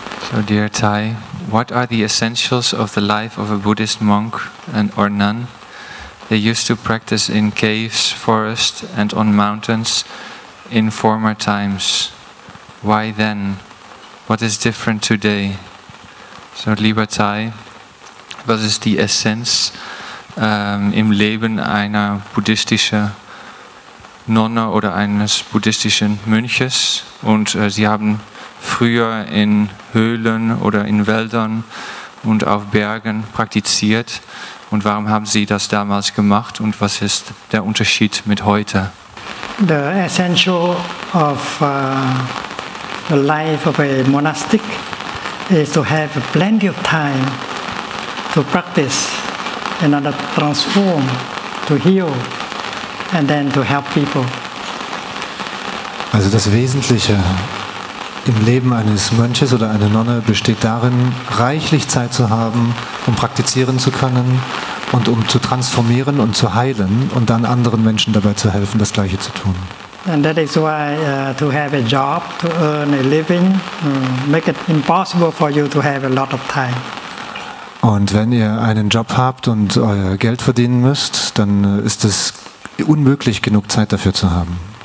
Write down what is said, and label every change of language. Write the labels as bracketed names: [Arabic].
[English] So, dear Thay, what are the essentials of the life of a Buddhist monk and or nun? They used to practice in caves, forests, and on mountains in former times. Why then? What is different today? [German] So, lieber Thay, was ist die Essenz im Leben einer buddhistischen Nonne oder eines buddhistischen Mönches? Und Sie haben früher in Höhlen oder in Wäldern und auf Bergen praktiziert. Und warum haben Sie das damals gemacht? Und was ist der Unterschied mit heute? [English] The essential of the life of a monastic is to have plenty of time to practice in order to transform, to heal, and then to help people. [German] Also das Wesentliche im Leben eines Mönches oder einer Nonne besteht darin, reichlich Zeit zu haben, um praktizieren zu können und um zu transformieren und zu heilen und dann anderen Menschen dabei zu helfen, das Gleiche zu tun. [English] And that is why to have a job, to earn a living, make it impossible for you to have a lot of time. [German] Und wenn ihr einen Job habt und euer Geld verdienen müsst, dann ist es unmöglich, genug Zeit dafür zu haben.